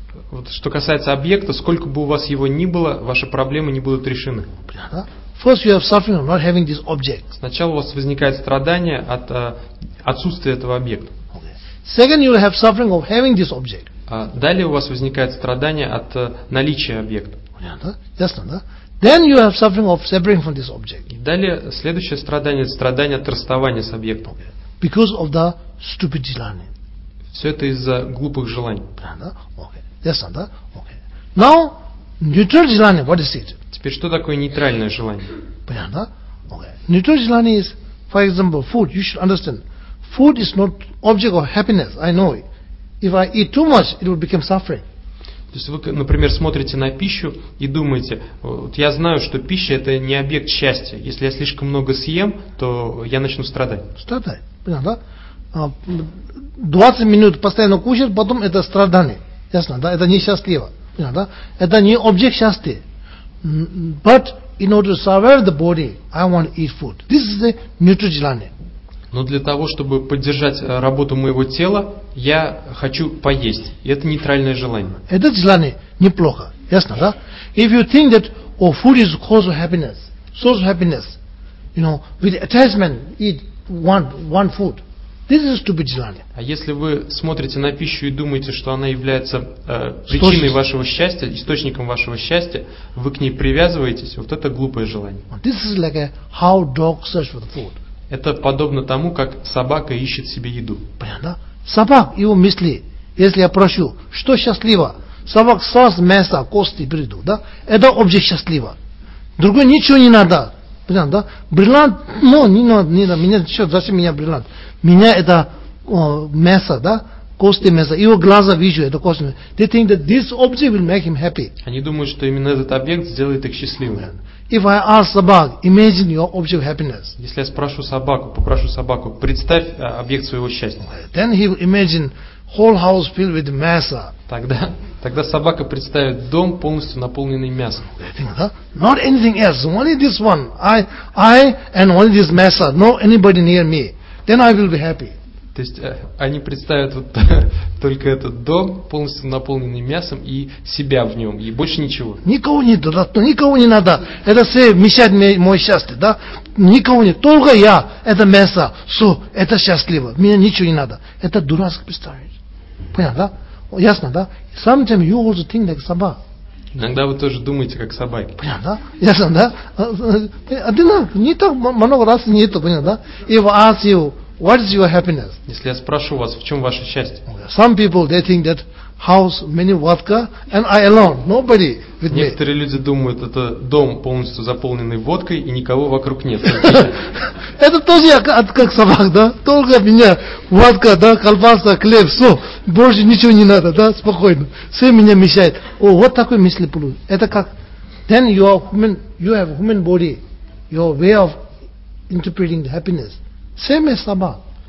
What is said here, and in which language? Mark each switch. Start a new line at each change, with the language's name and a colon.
Russian: Вот что касается объекта, сколько бы у вас его ни было, ваши проблемы не будут решены. Понятно?
English: First, you have suffering of not having this object.
Russian: Сначала у вас возникает страдание от отсутствия этого объекта.
English: Okay. Second, you will have suffering of having this object.
Russian: Далее у вас возникает страдание от наличия объекта. Понятно? Ясно, да?
English: Then you have suffering of separating from this object.
Russian: Далее следующее страдание — страдание от расставания с объектом.
English: Because of the stupid desire.
Russian: Все это из-за глупых желаний. Понятно?
English: Okay.
Russian: Ясно, да?
English: Okay. Now neutral desire. What is it?
Russian: Теперь что такое нейтральное желание? Понятно?
English: Okay. Neutral desire is, for example, food. You should understand. Food is not object of happiness. I know it. If I eat too much, it will become suffering.
Russian: То есть вы, например, смотрите на пищу и думаете: вот я знаю, что пища — это не объект счастья. Если я слишком много съем, то я начну страдать. Страдать. Понятно, да? 20 минут постоянно кушать, потом это страдание. Ясно, да? Это несчастливо. Понятно, да? Это не объект счастья.
English: But in order to survive the body, I want to eat food. This is the neutral jilani.
Russian: Но для того, чтобы поддержать работу моего тела, я хочу поесть. И это нейтральное желание. Это желание неплохо. Ясно, да?
English: If you think that, oh, food is cause of happiness, source of happiness, you know, with attachment, eat one food. This is stupid желание.
Russian: А если вы смотрите на пищу и думаете, что она является причиной вашего счастья, источником вашего счастья, вы к ней привязываетесь, вот это глупое желание.
English: This is like a how dog search for the food.
Russian: Это подобно тому, как собака ищет себе еду. Понятно? Собак, его мысли, если я прошу, что счастливо, собак сразу мясо, кости придут, да? Это объект счастливо. Другой ничего не надо. Понятно, да? Бриллиант, ну, не надо, не надо. Меня, что, зачем меня бриллиант? Меня это мясо, да? Кости мяса. Его глаза вижу, это кости мяса.
English: They think that this object will make him happy.
Russian: Они думают, что именно этот объект сделает их счастливыми.
English: If I ask собак, imagine your object of happiness.
Russian: Если я спрошу собаку, попрошу собаку, представь объект своего счастья.
English: Then he will imagine whole house filled with masa.
Russian: Тогда собака представит дом, полностью наполненный мясом.
English: Not anything else, only this one. I and only this masa, no anybody near me. Then I will be happy.
Russian: То есть они представят вот только этот дом, полностью наполненный мясом, и себя в нем, и больше ничего. Никого не надо, никого не надо. Это все мешает мое счастье, да? Никого не, только я, это мясо, все, это счастливо, мне ничего не надо. Это дурацкое представление. Понятно, да? Ясно, да?
English: Sometimes you also think like собак.
Russian: Иногда вы тоже думаете, как собаки. Понятно, да? Ясно, да? Один раз, не так много раз не это, понятно, да?
English: If I ask you, what is your happiness?
Russian: Если я спрошу вас, в чем ваше счастье?
English: Some people, they think that house, many vodka, and I alone, nobody with me.
Russian: Некоторые люди думают, это дом, полностью заполненный водкой, и никого вокруг нет. Это тоже я как собак, да? Только меня водка, да, колбаса, хлеб, все. Больше ничего не надо, да, спокойно. Все меня мешает. О, вот такой мысли плюс. Это как,
English: then you have human body, your way of interpreting the happiness. Same as собак.